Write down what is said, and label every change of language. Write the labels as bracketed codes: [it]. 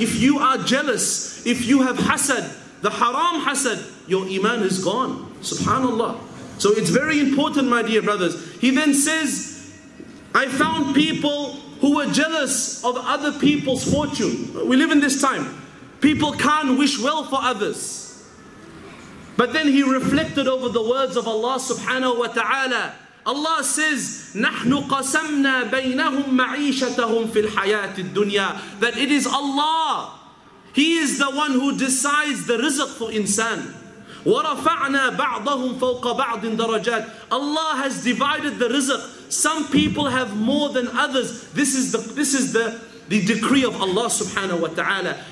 [en] If you are jealous, if you have hasad, the haram hasad, your iman is gone. Subhanallah. So it's very important, my dear brothers. He then says, I found people who were jealous of other people's fortune. We live in this time. People can't wish well for others. But then he reflected over the words of Allah subhanahu wa ta'ala. Allah says, [ar] نَحْنُ قَسَمْنَا بَيْنَهُمْ مَعِيشَتَهُمْ فِي الْحَيَاةِ الدُّنْيَا. [en] That it is Allah. He is the one who decides the rizq for insan. [ar] وَرَفَعْنَا بَعْضَهُمْ فَوْقَ بَعْضٍ دَرَجَاتٍ. [en] Allah has divided the rizq. Some people have more than others. This is the decree of Allah subhanahu wa ta'ala.